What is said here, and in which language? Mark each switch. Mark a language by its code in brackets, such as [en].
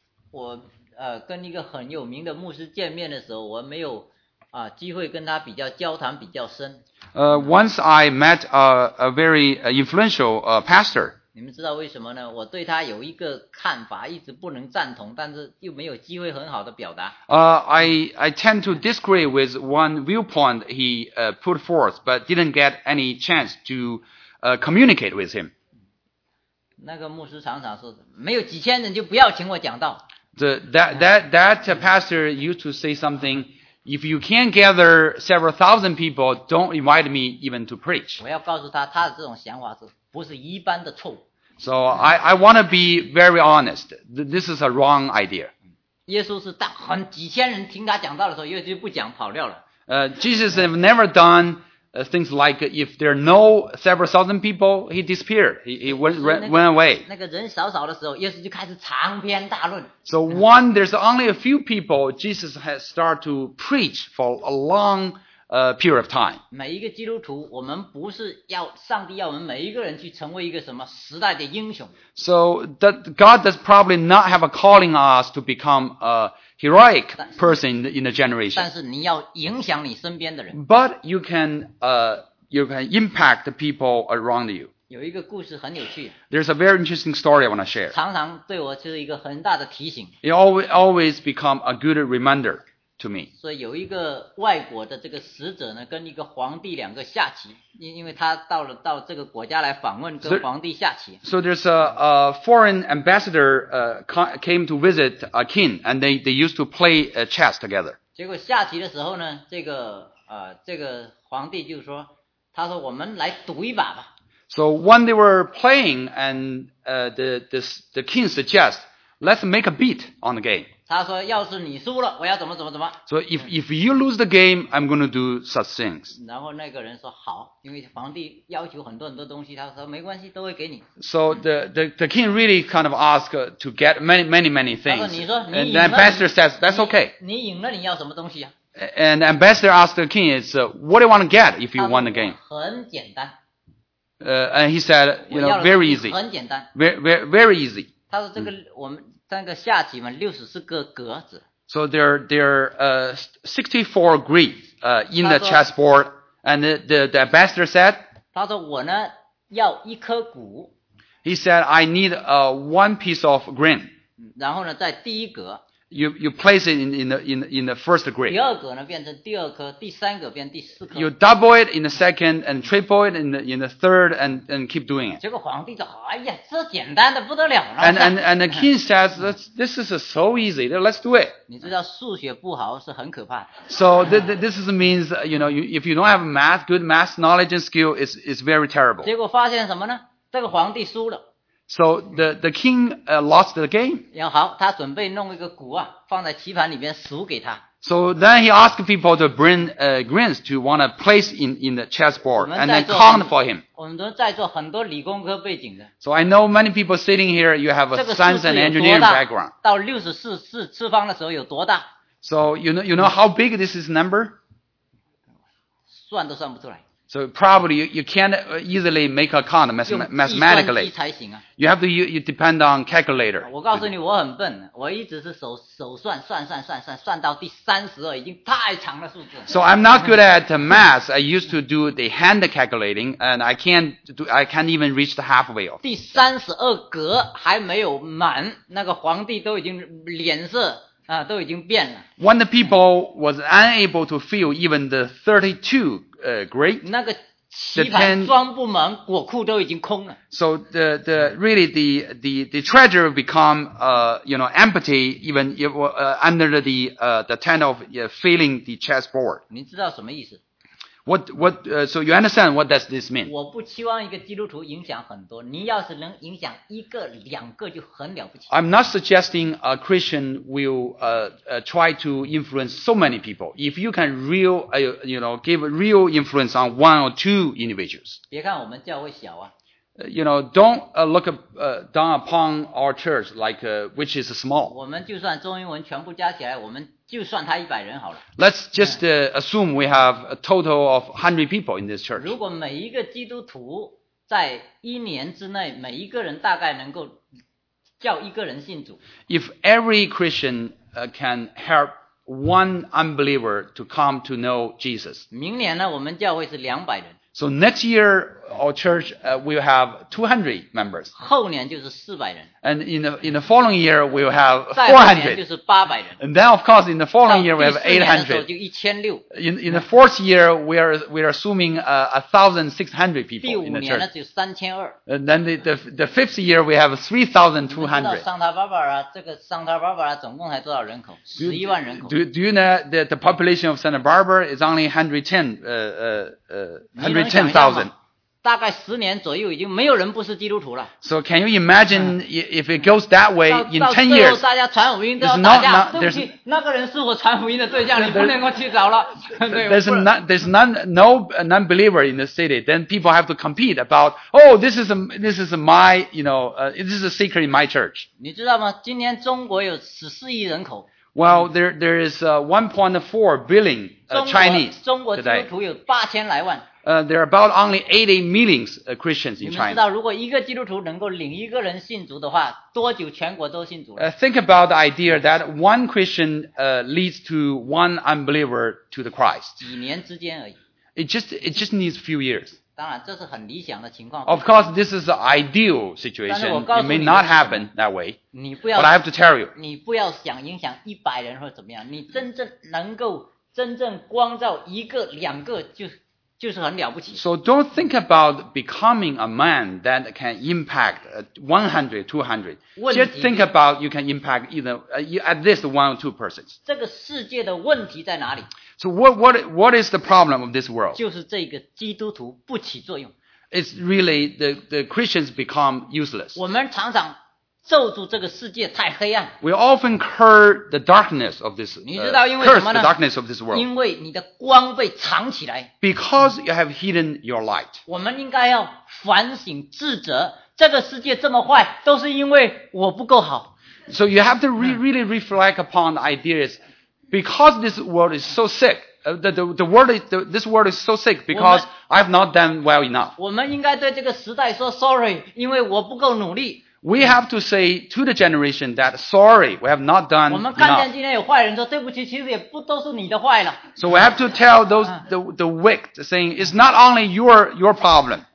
[zh] 我跟一个很有名的牧师见面的时候，我没有机会跟他比较交谈比较深。 [en] Once I met a very influential pastor. [zh] 你们知道为什么呢？我对他有一个看法，一直不能赞同，但是又没有机会很好的表达。 [en] I tend to disagree with one viewpoint he put forth, but didn't get any chance to communicate with him. [zh] 那个牧师常常说，没有几千人就不要请我讲道。 [en] That pastor used to say something, if you can't gather several thousand people, don't invite me even to preach. [zh] 我要告诉他，他的这种想法是不是一般的错误。 [en] So I want to be very honest. This is a wrong idea. [zh] 耶稣是当很几千人听他讲道的时候，耶稣不讲跑掉了。 [en] Jesus has never done things like if there are no several thousand people, he disappeared. He went away. [zh] 那个人少少的时候，耶稣就开始长篇大论。 [en] So one, there's only a few people, Jesus has started to preach for a long period of time. [zh] 每一个基督徒，我们不是要上帝要我们每一个人去成为一个什么时代的英雄。 [en] So that God does probably not have a calling us to become a heroic person in the generation. [zh] 但是你要影响你身边的人。 [en] But you can impact the people around you. [zh] 有一个故事很有趣。 [en] There's a very interesting story I want to share. [zh] 常常对我就是一个很大的提醒。 [en] It always become a good reminder. To me. [zh] 所以有一个外国的这个使者呢，跟一个皇帝两个下棋，因为他到这个国家来访问，跟皇帝下棋。 [en] So there's a foreign ambassador came to visit a king, and they used to play chess together. [zh] 结果下棋的时候呢，这个皇帝就说，他说我们来赌一把吧。 [en] So when they were playing, and the king suggests, let's make a bet on the game. [zh] 他说要是你输了我要怎么怎么怎么。 [en] So if you lose the game, I'm going to do such things. [zh] 然后那个人说好，因为皇帝要求很多很多东西，他说没关系，都会给你。 [en] So the king really kind of asked to get many, many, many things. [zh] 他说你说你赢了。 [en] And the ambassador says, that's okay. [zh] 你赢了你要什么东西啊？ [en] And the ambassador asked the king, it's, what do you want to get if you won the game? [zh] 很简单。 [en] And he said, you know, very easy. [zh] 很简单。 [en] Very easy. [zh] 他说这个我们三个下棋嘛 ,64 个格子。 [en] So there are 64 grids, in the chessboard. And the ambassador said, [zh] 他说我呢要一颗谷。 [en] He said, I need, one piece of grain. [zh] 然后呢在第一格。 [en] You place it in the first grid. [zh] 第二格呢变成第二颗，第三格变第四颗。 [en] You double it in the second and triple it in the third and keep doing it. [zh] 结果皇帝说，哎呀，这简单的不得了了。 [en] And the king says, this is so easy. Let's do it. [zh] 你知道数学不好是很可怕。 [en] So this means, you know, if you don't have math, good math knowledge and skill, it's very terrible. [zh] 结果发现什么呢？这个皇帝输了。 [en] So the king lost the game. [zh] 然后好，他准备弄一个谷啊，放在棋盘里面数给他。 [en] So then he asked people to bring grains to want to place in the chessboard and then count for him. [zh] 我们都在座很多理工科背景的。 [en] So I know many people sitting here, you have a science and engineering background. [zh] 到64次次方的时候有多大 [en] ？So you know how big this is number? [zh] 算都算不出来。 [en] So probably you can't easily make a count mathematically. [zh] 用计算机才行啊。 [en] You have to you depend on calculator. [zh] 我告诉你我很笨，我一直是手算算算算算算到第32，已经太长了数字。 [en] So I'm not good at math. I used to do the hand calculating, and I can't even reach the halfway. [zh] 第32格还没有满，那个皇帝都已经脸色。啊，都已经变了。 [en] When the people was unable to fill even the 32 grade, [zh] 那个棋盘装不满，果库都已经空了。 [en] So the treasure become empty even under the tent of filling the chessboard. [zh] 你知道什么意思？ [en] So you understand what does this mean? [zh] 我不期望一个基督徒影响很多，你要是能影响一个两个就很了不起。 [en] I'm not suggesting a Christian will try to influence so many people. If you can give a real influence on one or two individuals. [zh] 别看我们教会小啊。 [en] You know, don't look down upon our church like which is small. [zh] 我们就算中英文全部加起来，我们就算他100人好了。 [en] Let's just assume we have a total of 100 people in this church. [zh] 如果每一个基督徒在一年之内，每一个人大概能够叫一个人信主。 [en] If every Christian can help one unbeliever to come to know Jesus. [zh] 明年呢，我们教会是200人。 [en] So next year, our church will have 200 members. [zh] 后年就是400人。 [en] And in the following year, we'll have 400. [zh] 再后年就是800人。 [en] And then, of course, in the following year, we have 800. [zh] 到第四年的时候就1600。 [en] In the fourth year, we are assuming 1,600 people in the church. [zh] 第五年呢，只有3200。 [en] And then the fifth year, we have 3,200. [zh] 你知道 Santa Barbara 这个 Santa Barbara 总共才多少人口？11万人口。 [en] Do you know that the population of Santa Barbara is only 110,000? [zh] 大概十年左右已经没有人不是基督徒了。 [en] So can you imagine if it goes that way in 10 years? [zh] 大家传福音都要打架。对不起，那个人是我传福音的对象，你不能够去找了。 [en] There's no non-believer in the city. Then people have to compete about, oh, this is a secret in my church. [zh] 你知道吗？今年中国有14亿人口。 [en] Well, there is 1.4 billion Chinese. [zh] 中国基督徒有8000来万。 [en] There are about only 80 million Christians in China. [zh] 你们知道，如果一个基督徒能够领一个人信主的话，多久全国都信主了？ [en] Think about the idea that one Christian leads to one unbeliever to the Christ. [zh] 几年之间而已。 [en] It just needs a few years. [zh] 当然，这是很理想的情况。 [en] Of course, this is the ideal situation. It may not happen that way. [zh] 你不要。 [en] But I have to tell you. [zh] 你不要想影响一百人或怎么样，你真正能够真正光照一个两个就是很了不起。 [en] So don't think about becoming a man that can impact 100, 200. Just think about you can impact at least one or two persons. [zh] 这个世界的问题在哪里？ [en] So what is the problem of this world? [zh] 就是这个基督徒不起作用。 [en] It's really the Christians become useless. [zh] 我们常常咒诅这个世界太黑暗。 [en] We often curse the darkness of this world. [zh] 你知道因为什么呢？ [en] Curse the darkness of this world. [zh] 因为你的光被藏起来。 [en] Because you have hidden your light. [zh] 我们应该要反省自责，这个世界这么坏，都是因为我不够好。 [en] So you have to really reflect upon the ideas, because this world is so sick, this world is so sick because I have not done well enough. [zh] 我们应该对这个时代说 sorry, 因为我不够努力。 [en] We have to say to the generation that sorry, we have not done enough. [zh] 我们看见今天有坏人说对不起，其实也不都是你的坏了。 [en] So we have to tell those the wicked saying it's not only your problem.